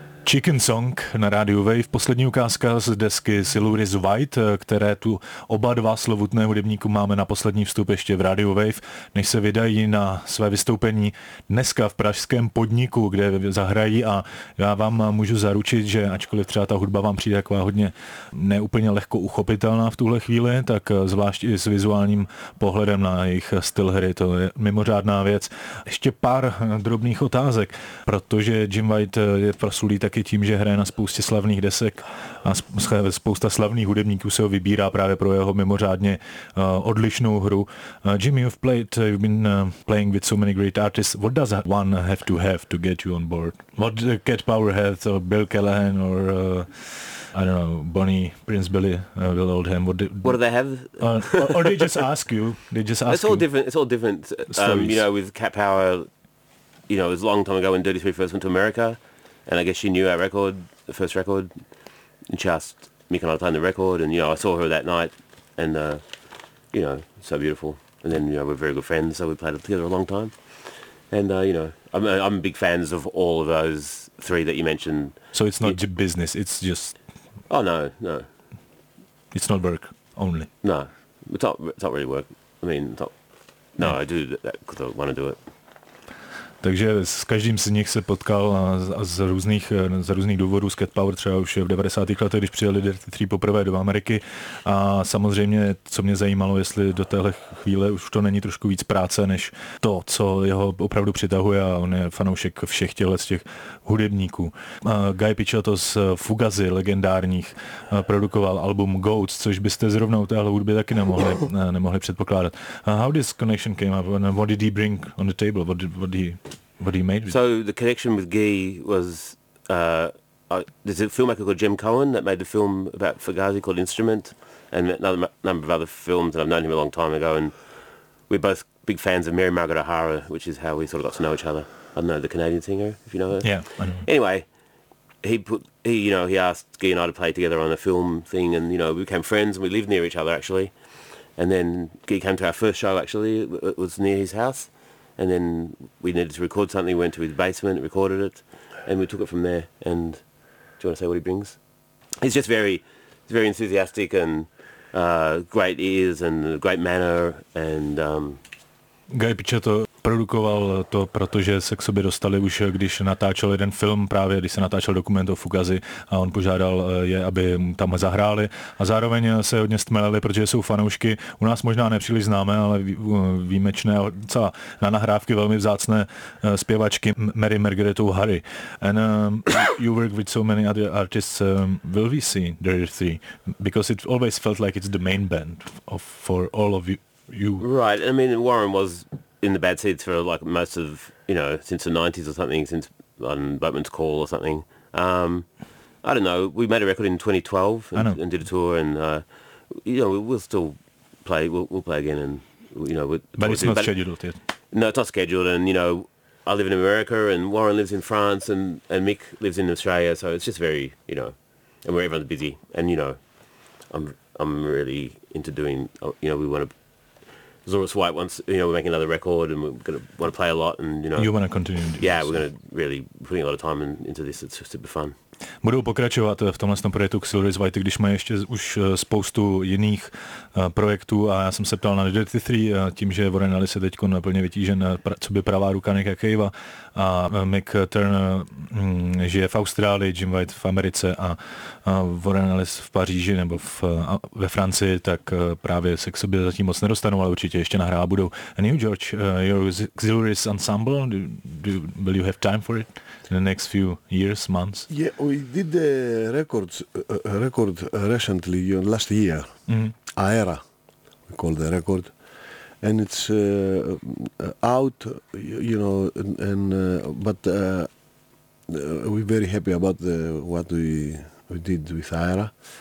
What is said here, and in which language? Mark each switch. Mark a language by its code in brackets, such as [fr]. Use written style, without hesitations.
[cs] Chicken Song na Radio Wave, poslední ukázka z desky Siluris White, které tu oba dva slovutné hudebníku máme na poslední vstup ještě v Radio Wave, než se vydají na své vystoupení dneska v pražském podniku, kde zahrají, a já vám můžu zaručit, že ačkoliv třeba ta hudba vám přijde taková hodně neúplně lehko uchopitelná v tuhle chvíli, tak zvlášť i s vizuálním pohledem na jejich styl hry, to je mimořádná věc. Ještě pár drobných otázek, protože Jim White je proslulý taky tím, že hraje na spoustě slavných desek a spousta slavných hudebníků se ho vybírá právě pro jeho mimořádně odlišnou hru. [en] Jim, you've been playing with so many great artists. What does one have to get you on board? What Cat Power has, or Bill Callahan, or I don't know, Bonnie, Prince Billy, Will Oldham. What do they have? Or they just ask you? They just ask. It's all different. It's all different. You know, with Cat Power, you know, it was a long time ago when Dirty Three first went to America. And I guess she knew our record, the first record, and she asked Mick and I to play the record, and, you know, I saw her that night, and, you know, so beautiful. And then, you know, we're very good friends, so we played together a long time. And, you know, I'm big fans of all of those three that you mentioned. So it's not business, it's just... Oh, no, no. It's not work, only. No, it's not really work. I mean, it's not... No, yeah. I do that because I want to do it. [cs] Takže s každým z nich se potkal z různých důvodů. Z Cat Power třeba už v 90. letech, když přijeli Dirty Three poprvé do Ameriky. A samozřejmě, co mě zajímalo, jestli do téhle chvíle už to není trošku víc práce, než to, co jeho opravdu přitahuje, a on je fanoušek všech těchto z těch hudebníků. Guy Picciotto z Fugazi legendárních produkoval album Goats, což byste zrovna u téhle hudby taky nemohli předpokládat. [en] How this connection came up and what did he bring on the table? What do you mean? So the connection with Guy was, there's a filmmaker called Jem Cohen that made the film about Fugazi called Instrument, and another number of other films, and I've known him a long time ago, and we're both big fans of Mary Margaret O'Hara, which is how we sort of got to know each other. I don't know, the Canadian singer, if you know her. Yeah, I know. Anyway, he asked Guy and I to play together on a film thing, and, you know, we became friends, and we lived near each other, actually. And then Guy came to our first show, actually. It was near his house. And then we needed to record something. We went to his basement, recorded it, and we took it from there. And do you want to say what he brings? He's just very, very enthusiastic and great ears and a great manner. And [cs] Guy Picciotto produkoval to, protože se k sobě dostali už, když natáčel jeden film, právě když se natáčel dokument o Fugazi, a on požádal je, aby tam zahráli, a zároveň se hodně stmelili, protože jsou fanoušky u nás možná nepříliš známé, ale výjimečné a na nahrávky velmi vzácné zpěvačky Mary Margaret O'Hara. [en] And you work with so many other artists. Will we see Dirty Three? Because it always felt like it's the main band for all of you. Right, I mean, Warren was in the bad seats for like most of, you know, since the 90s or something, since Boatman's Call or something. I don't know, we made a record in 2012 and did a tour, and you know, we'll still play, we'll play again, and, you know, but it's not scheduled yet. No, it's not scheduled, and, you know, I live in America and Warren lives in France and Mick lives in Australia, so it's just very, you know, and we're everyone's busy, and, you know, I'm really into doing, you know, we want to as long as White wants, you know, we're making another record and we're going to want to play a lot, and you know, you want to continue. Yeah, we're going to really putting a lot of time into this. It's super fun. [cs] Budou pokračovat v tomhle projektu Xylory z White, když mají ještě už spoustu jiných projektů, a já jsem se ptal na Dirty Three, tím, že Warren Ellis se teď plně vytížen, co by pravá ruka Nicka Cavea, a Mick Turner žije v Austrálii, Jim White v Americe a Warren Ellis v Paříži nebo ve Francii, tak právě se k sobě zatím moc nedostanou, ale určitě ještě nahrává budou. [en] New George, your Xylory's ensemble, will you have time for it? In the next few years, months? Yeah, we did the record recently, last year. Mm-hmm. Aera, we call the record. And it's out, you know, but we're very happy about what we did with Aera.